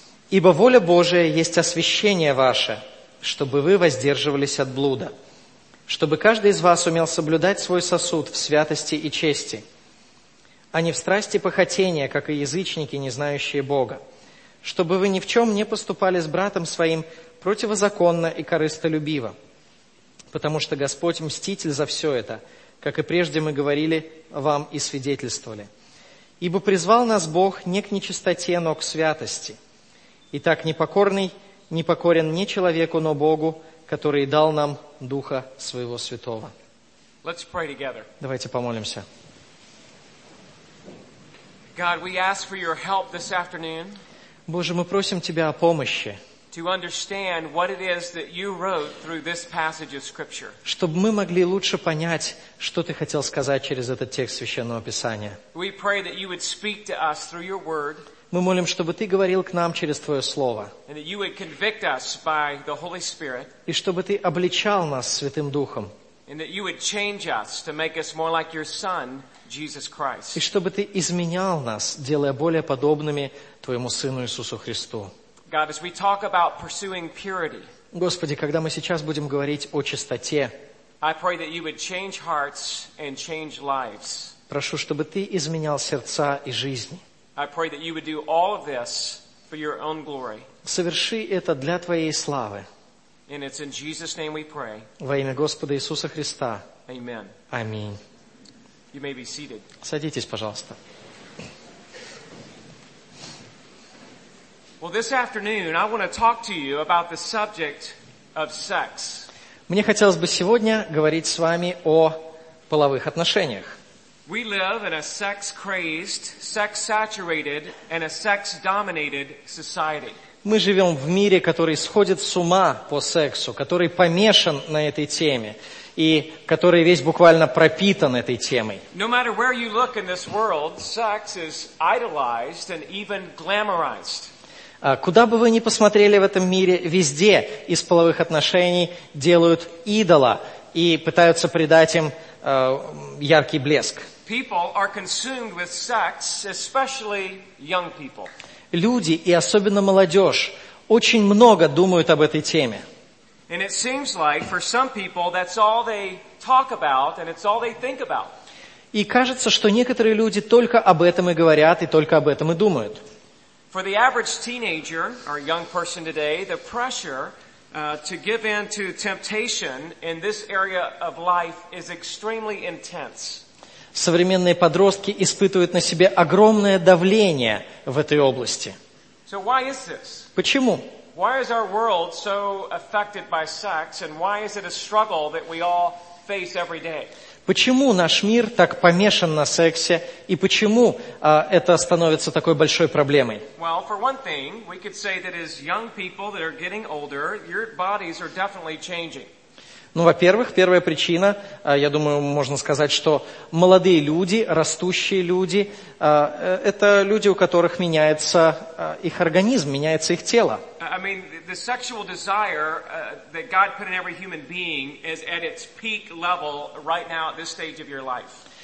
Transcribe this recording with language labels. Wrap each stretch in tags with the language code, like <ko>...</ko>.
<ru>«Ибо воля Божия есть освящение ваше, чтобы вы воздерживались от блуда, чтобы каждый из вас умел соблюдать свой сосуд в святости и чести, а не в страсти похотения, как и язычники, не знающие Бога, чтобы вы ни в чем не поступали с братом своим противозаконно и корыстолюбиво, потому что Господь мститель за все это, как и прежде мы говорили вам и свидетельствовали. Ибо призвал нас Бог не к нечистоте, но к святости. Итак, непокорный не покорен не человеку, но Богу, который дал нам Духа Своего Святого».</ru> <en>Let's pray together.</en> <ru>Давайте помолимся.</ru> <en>God, we ask for your help this afternoon.</en> <ru>Боже, мы просим Тебя о помощи.</ru> <en>To understand what it is that you wrote through this passage of Scripture.</en> <ru>Чтобы мы могли лучше понять, что Ты хотел сказать через этот текст Священного Писания.</ru> <en>We pray that you would speak to us through your word.</en> <ru>Мы молим, чтобы Ты говорил к нам через Твое Слово.</ru> <en>And that you would convict us by the Holy Spirit.</en> <ru>И чтобы Ты обличал нас Святым Духом.</ru> <en>And that you would change us to make us more like your Son, Jesus Christ.</en> <ru>И чтобы Ты изменял нас, делая более подобными Твоему Сыну Иисусу Христу.</ru> <en>God, as we talk about pursuing purity,</en> <ru>Господи, когда мы сейчас будем говорить о чистоте,</ru> <en>I pray that you would change hearts and change lives.</en> <ru>Прошу, чтобы Ты изменял сердца и жизни.</ru> <en>I pray that you would do all of this for your own glory.</en> <ru>Соверши это для Твоей славы.</ru> <en>And it's in Jesus' name we pray.</en> <ru>Во имя Господа Иисуса Христа.</ru> <en>Amen.</en> <ru>Аминь.</ru> <en>You may be seated.</en> <ru>Садитесь, пожалуйста.</ru> <en>Well, this afternoon I want to talk to you about the subject of sex.</en> <ru>Мне хотелось бы сегодня говорить с вами о половых отношениях.</ru> <en>We live in a sex-crazed, sex-saturated, and a sex-dominated society.</en> <ru>Мы живем в мире, который сходит с ума по сексу, который помешан на этой теме и который весь буквально пропитан этой темой.</ru> <en>No matter where you look in this world, sex is idolized and even glamorized.</en> <ru>Куда бы вы ни посмотрели в этом мире, везде из половых отношений делают идола и пытаются придать им яркий блеск.</ru> <en>People are consumed with sex, especially young people.</en> <ru>Люди, и особенно молодежь, очень много думают об этой теме.</ru> <en>And it seems like for some people that's all they talk about and it's all they think about.</en> <ru>И кажется, что некоторые люди только об этом и говорят, и только об этом и думают.</ru> <en>For the average teenager or young person today, the pressure to give in to temptation in this area of life is extremely intense.</en> <ru>Современные подростки испытывают на себе огромное давление в этой области.</ru> <en>So why is this?</en> <ru>Почему?</ru> <en>Why is our world so affected by sex, and why is it a struggle that we all face every day?</en> <ru>Почему наш мир так помешан на сексе, и почему это становится такой большой проблемой?</ru> <en>Well, for one thing, we could say that as young people that are getting older, your bodies are definitely changing.</en> <ru>Ну, во-первых, первая причина, я думаю, можно сказать, что молодые люди, растущие люди, это люди, у которых меняется их организм, меняется их тело.</ru> <en>I mean, the sexual desire that God put in every human being is at its peak level right now at this stage of your life.</en>